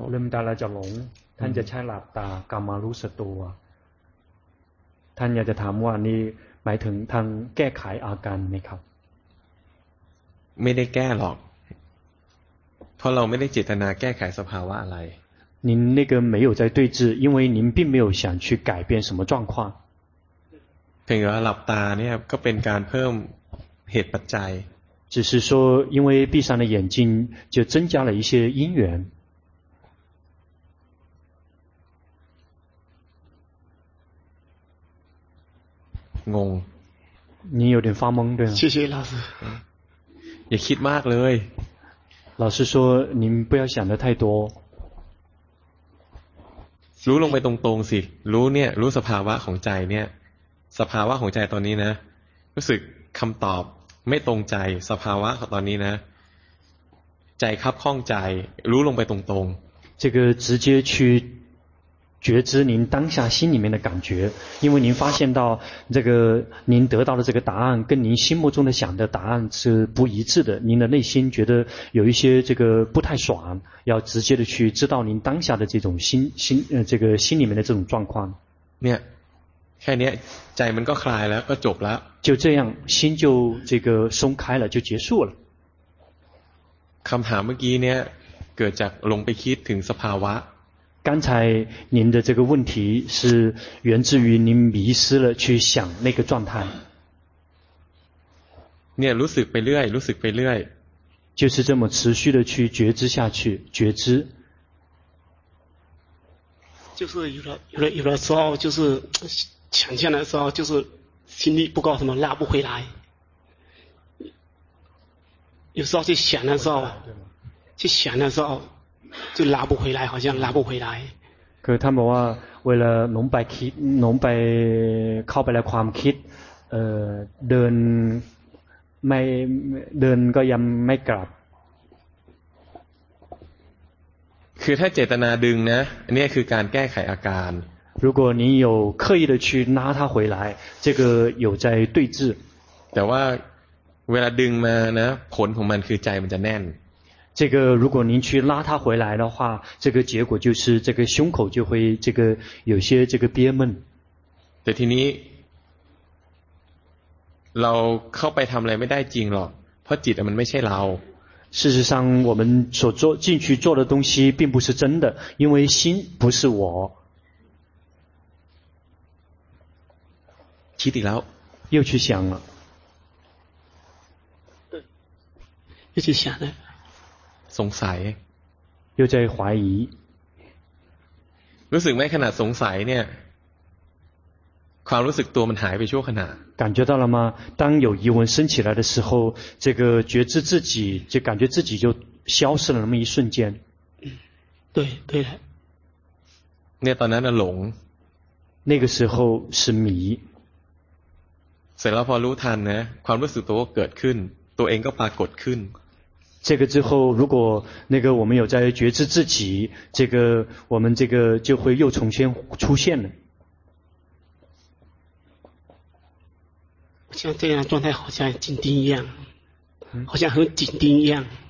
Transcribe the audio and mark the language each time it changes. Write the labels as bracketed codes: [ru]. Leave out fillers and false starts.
[th] ลืมตาแล้วจะหลงท่านจะใช้หลับตากรรมรู้สตัวท่านอยากจะถามว่านี่หมายถึงทางแก้ไขอาการไหมครับ ไม่ได้แก้หรอกเพราะเราไม่ได้เจตนาแก้ไขสภาวะอะไร [zh] 您那个没有在对治因为您并没有想去改变什么状况 [th] เพียงแต่หลับตาเนี่ยก็เป็นการเพิ่มเหตุปัจจัย [zh] 只是说因为闭上了眼睛就增加了一些因缘 ง ง你有点发懵对吗谢谢老师 [th] อย่าคิดมากเลย [zh] 老师说您不要想的太多 [th] รู้ลงไปตรงๆสิรู้เนี่ยรู้สภาวะของใจเนี่ยสภาวะของใจตอนนี้นะรู้สึกคำตอบไม่ตรงใจสภาวะของตอนนี้นะใจคับข้องใจรู้ลงไปตรง [zh] ๆ这个直接去觉知您当下心里面的感觉因为您发现到这个您得到的这个答案跟您心目中的想的答案是不一致的您的内心觉得有一些这个不太爽要直接的去知道您当下的这种这个心里面的这种状况 [th] เนี่ย แค่นี้ใจมันก็คลายแล้วก็จบแล้ว [zh] 就这样心就这个松开了就结束了 [th] คำถามเมื่อกี้เนี่ยเกิดจากลงไปคิดถึงสภาวะ [zh] 刚才您的这个问题是源自于您迷失了去想那个状态 [th] เนี่ยรู้สึกไปเรื่อยรู้สึกไปเรื่อย [zh] 就是这么持续的去觉知下去觉知就是有的时候就是抢先的时候就是心力不够什么拉不回来有时候去想的时候去想的时候就拿不回来好像拿不回来 [th] คือท่านบอกว่าเวลาหลงไปคิดหลงไปเข้าไปในความคิดเดินไม่เดินก็ยังไม่กลับ คือถ้าเจตนาดึงนะนี่คือการแก้ไขอาการ [zh] 如果你有刻意的去拉他回来这个有在对治 [th] แต่ว่าเวลาดึงมานะผลของมันคือใจมันจะแน่น [zh] 这个如果您去拉他回来的话这个结果就是这个胸口就会这个有些这个憋闷 [th] แต่ทีนี้เราเข้าไปทำอะไรไม่ได้จริงหรอกเพราะจิตมันไม่ใช่เรา [zh] 事实上我们所做进去做的东西并不是真的因为心不是我起底了又去想了又去想了 [th] สงสัย [zh] 又在怀疑 [th] รู้สึกไหมขณะสงสัยเนี่ยความรู้สึกตัวมันหายไปชั่วขณะ [zh] 感觉到了吗当有疑问升起来的时候这个觉知自己就感觉自己就消失了那么一瞬间对对 [th] เนี่ยตอนนั้นหลง [zh] 那个时候是迷 [th] เสร็จแล้วพอรู้ทันนะความรู้สึกตัวก็เกิดขึ้นตัวเองก็ปรากฏขึ้น [zh] 这个之后如果那个我们有在觉知自己这个我们这个就会又重新出现了像这样状态好像紧盯一样好像很紧盯一样